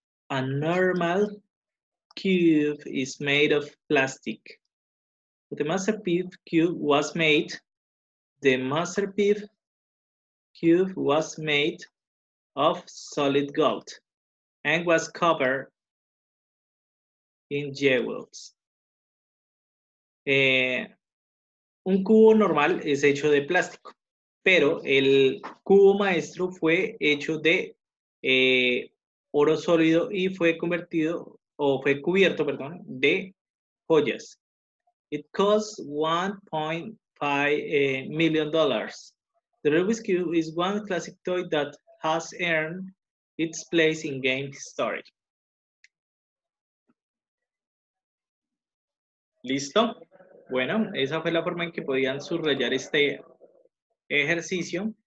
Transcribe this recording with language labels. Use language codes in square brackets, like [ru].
[en] A normal cube is made of plastic. The masterpiece cube was made. The masterpiece cube was made of solid gold and was covered in jewels. [es] Un cubo normal es hecho de plástico, pero el cubo maestro fue hecho de oro sólido y fue convertido o fue cubierto, perdón, de joyas. [en] It costs $1.5 million. The Rubik's Cube is one classic toy that has earned its place in game history. [es] ¿Listo? Bueno, esa fue la forma en que podían subrayar este ejercicio.